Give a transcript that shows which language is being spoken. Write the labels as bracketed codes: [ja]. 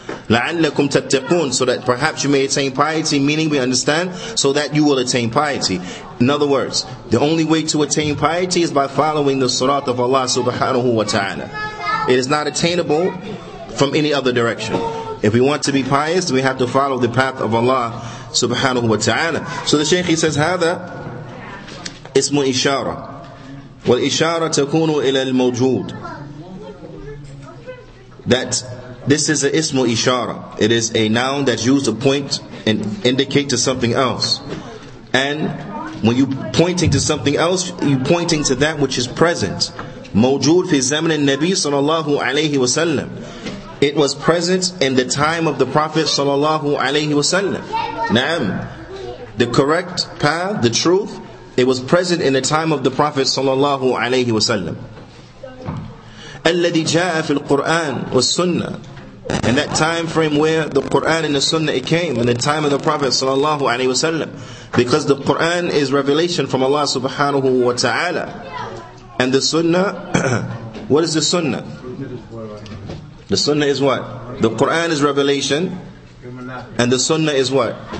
[ar] لَعَلَّكُمْ تَتَّقُونَ [en] So that perhaps you may attain piety, meaning we understand, so that you will attain piety. In other words, the only way to attain piety is by following the surat of Allah subhanahu wa ta'ala. It is not attainable from any other direction. If we want to be pious, we have to follow the path of Allah subhanahu wa ta'ala. So the Shaykh, he says, [ar] هذا اسم إشارة والإشارة تكون إلى الموجود [en] That this is a ismu ishara. It is a noun that's used to point and indicate to something else. And when you pointing to something else, you pointing to that which is present. [ar] موجود في زمن النبي صلى الله عليه وسلم. [en] It was present in the time of the Prophet صلى الله عليه وسلم. نعم. The correct path, the truth, it was present in the time of the Prophet صلى الله عليه وسلم. [ar] الذي جاء في القرآن والسنة. [en] In that time frame where the Qur'an and the Sunnah, it came, in the time of the Prophet sallallahu alayhi wa sallam. Because the Qur'an is revelation from Allah subhanahu wa ta'ala. And the Sunnah, what is the Sunnah? The Sunnah is what? The Qur'an is revelation. And the Sunnah is what?